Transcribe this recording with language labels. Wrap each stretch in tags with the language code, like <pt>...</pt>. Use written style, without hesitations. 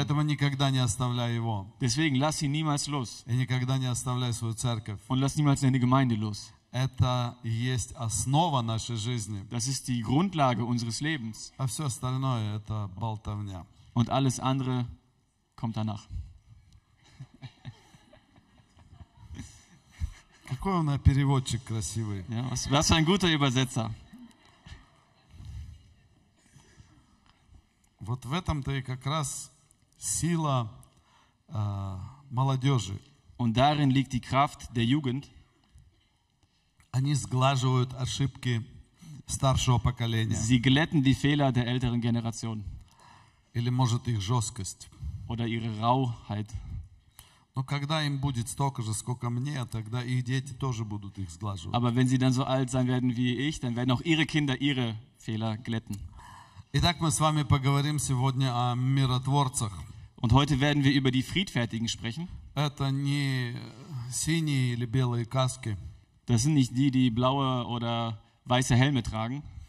<de>Deswegen lass ihn niemals los und lass niemals deine Gemeinde los.</de> <ru>Это есть основа нашей жизни.</ru> <de>Das ist die Grundlage unseres Lebens.</de> <ru>А все остальное это болтовня.</ru> <de>Und alles andere kommt danach.</de> <ru>Какой у нас переводчик красивый.</ru> <de>Ja, was für ein guter Übersetzer.</de> <ru>Вот в этом-то и как раз сила молодежи.</ru> <de>Und darin liegt die Kraft der Jugend.</de> <ru>Они сглаживают ошибки старшего поколения.</ru> <de>Sie glätten die Fehler der älteren Generation.</de> <ru>Или может их жесткость.</ru> <de>Oder ihre Rauheit.</de> <ru>Но когда им будет столько же, сколько мне, тогда их дети тоже будут их сглаживать.</ru> <de>Aber wenn sie dann so alt sein werden wie ich, dann werden auch ihre Kinder ihre Fehler glätten.</de> <ru>Итак, мы с вами поговорим сегодня о миротворцах.</ru> <de>Und heute werden wir über die Friedfertigen sprechen.</de> <ru>Это не синие или белые каски.</ru> <de>Das sind nicht die, die blaue oder weiße Helme tragen.</de>